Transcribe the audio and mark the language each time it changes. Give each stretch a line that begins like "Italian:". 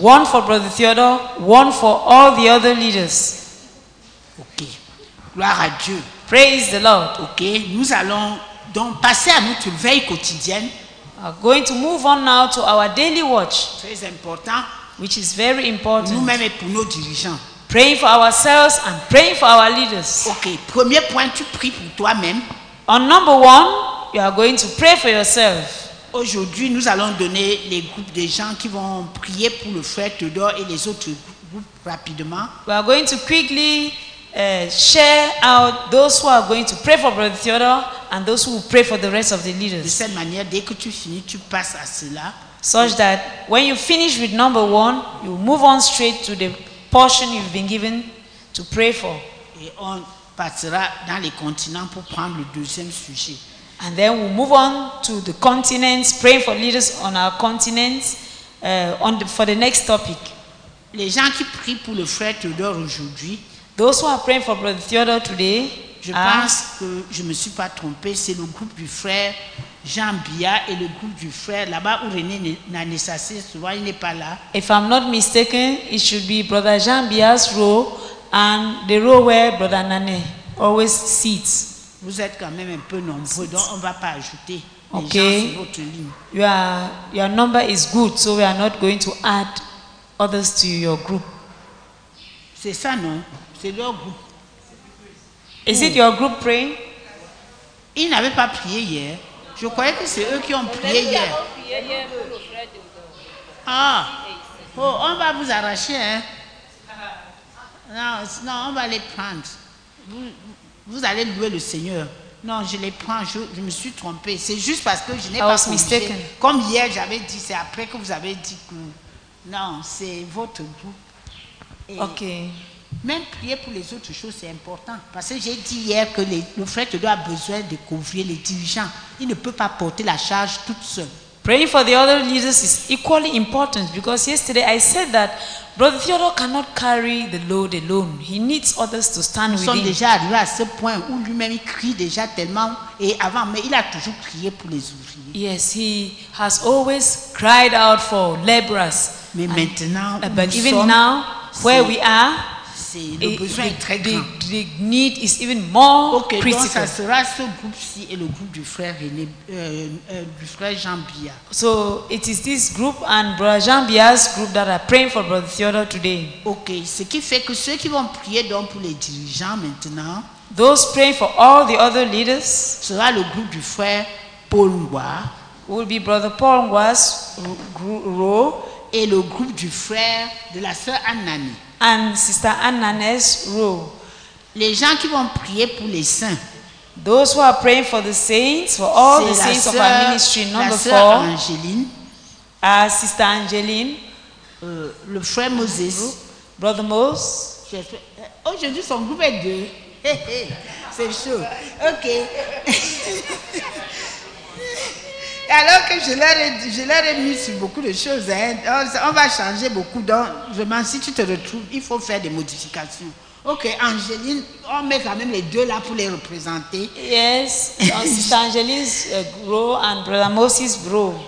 English: One for Brother Theodore, one for all the other leaders.
French: Okay. Gloire à Dieu.
English: Praise the Lord. Okay.
French: Nous allons donc passer à notre veille quotidienne.
English: We're going to move on now to our daily watch.
French: Très important.
English: Which is very important.
French: Nous-mêmes et pour nos dirigeants.
English: Praying for ourselves and praying for our leaders.
French: Okay. Premier point, tu pries pour toi-même.
English: On number one, you are going to pray for yourself.
French: Aujourd'hui, nous allons donner les groupes de gens qui vont prier pour le frère Théodore et les autres groupes rapidement.
English: We are going to quickly share out those who are going to pray for Brother Theodore and those who will pray for the rest of the leaders.
French: De cette manière, dès que tu finis, tu passes à cela.
English: Such that when you finish with number one, you move on straight to the portion you've been given to pray for.
French: Et on partira dans les continents pour prendre le deuxième sujet.
English: And then we'll move on to the continents, praying for leaders on our continents for the next topic.
French: Les gens qui prient pour le frère Théodore aujourd'hui,
English: those who are praying for Brother Theodore today,
French: je pense que je ne me suis pas trompé, c'est le groupe du frère Jean Bia et le groupe du frère là-bas où René Nanessassé, souvent il n'est pas là.
English: If I'm not mistaken, it should be Brother Jean Bia's row and the row where Brother Nane always sits.
French: Vous êtes quand même un peu nombreux, donc on ne va pas ajouter les okay. gens sur votre ligne.
English: Your number is good, so we are not going to add others to your group.
French: C'est ça, non? C'est leur groupe.
English: Is it your group praying?
French: Ils n'avaient pas prié hier. Je croyais que c'est eux qui ont prié hier. Ah, oh, on va vous arracher, hein? Non, on va les prendre. Vous allez louer le Seigneur. Non, je les prends, je me suis trompé. C'est juste parce que je n'ai pas prié. Comme hier, j'avais dit, c'est après que vous avez dit que... Non, c'est votre groupe. Ok. Même prier pour les autres choses, c'est important. Parce que j'ai dit hier que le frère Théodore a besoin de couvrir les dirigeants. Il ne peut pas porter la charge toute seule.
English: Praying for the other leaders is equally important, because yesterday I said that Brother Theodore cannot carry the load alone. He needs others to stand with him.
French: Nous sommes déjà arrivés à ce point où lui-même crie déjà tellement, et avant, mais il a toujours crié pour les ouvriers.
English: Yes, he has always cried out for laborers.
French: Mais maintenant,
English: but even now, where we are,
French: le besoin est très grand.
English: The need is even more critical.
French: Donc ça sera ce groupe-ci et le groupe du frère René, du frère Jean Bia.
English: So it is this group and Brother Jean Bia's group that are praying for Brother Theodore today.
French: Okay, ce qui fait que ceux qui vont prier donc pour les dirigeants maintenant,
English: those praying for all the other leaders,
French: sera le groupe du frère Paul Ngwa,
English: will be Brother Paul Ngwa's role,
French: et le groupe du frère de la sœur Annani.
English: And Sister Annanes Rowe.
French: Les gens qui vont prier pour les saints.
English: Those who are praying for the saints, for all the saints
French: sœur,
English: of our ministry, number
French: la
English: four. Angeline. Sister Angeline.
French: Le frère Moses.
English: Brother Moses.
French: Aujourd'hui, son groupe est deux. C'est chaud. Ok. Alors que je leur ai mis sur beaucoup de choses, hein. On va changer beaucoup. Donc, vraiment, si tu te retrouves, il faut faire des modifications. Ok, Angeline, on met quand même les deux là pour les représenter.
English: Yes, Sister Angeline's grow and Brother Moses grow.